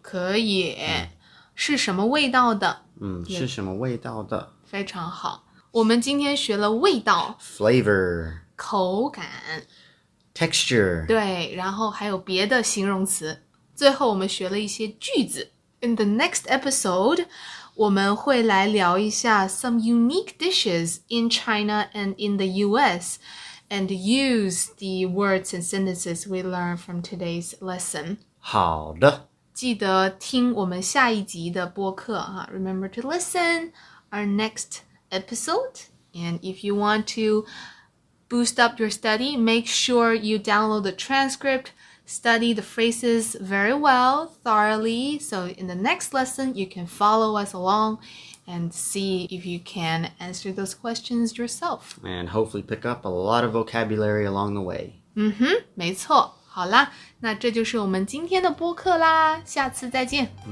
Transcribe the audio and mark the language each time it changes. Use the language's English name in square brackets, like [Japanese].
[Chinese] 可以。是什么味道的？是什么味道的？非常好。我们今天学了味道 [English] ,flavor, [Chinese] 口感 [English] ,texture, [Chinese] 对，然后还有别的形容词。最后我们学了一些句子。 [English] In the next episode, [Chinese] 我们会来聊一下 [English] some unique dishes in China and in the US and use the words and sentences we learned from today's lesson. [Chinese] 好的。记得听我们下一集的播客、啊、 [English] Remember to listen our next episode. And if you want to boost up your study, make sure you download the transcript. Study the phrases very well, thoroughly. So in the next lesson, you can follow us along and see if you can answer those questions yourself. And hopefully pick up a lot of vocabulary along the way. [Chinese] 没错。好啦，那这就是我们今天的播客啦。下次再见。